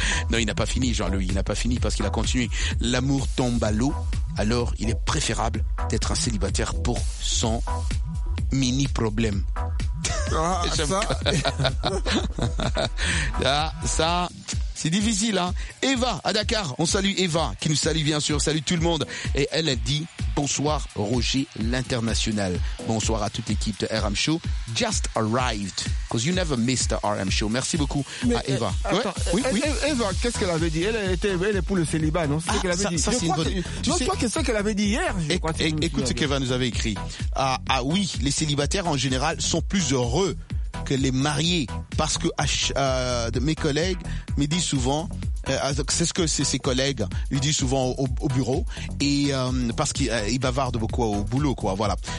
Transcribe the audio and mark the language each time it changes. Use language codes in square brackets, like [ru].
[fr] Non, il n'a pas fini, Jean-Louis. Il n'a pas fini parce qu'il a continué. L'amour tombe à l'eau, alors il est préférable d'être un célibataire pour son mini problème. Ah, ça, c'est difficile, hein. Eva, à Dakar, on salue Eva, qui nous salue bien sûr, salue tout le monde. Et elle a dit, bonsoir Roger l'International. Bonsoir à toute l'équipe de RM Show. [en] Just arrived, because you never missed the RM Show. [fr] Merci beaucoup Eva. Attends, ouais, Eva, qu'est-ce qu'elle avait dit? Elle est pour le célibat, non? C'est ce qu'elle avait dit. Qu'est-ce qu'elle avait dit hier? Écoute ce qu'Eva nous avait écrit. Ah oui, les célibataires en général sont plus heureux que les mariés, parce que mes collègues me disent souvent, c'est ce que ses collègues lui disent souvent au bureau, et parce qu'il bavarde beaucoup au boulot, quoi. Voilà.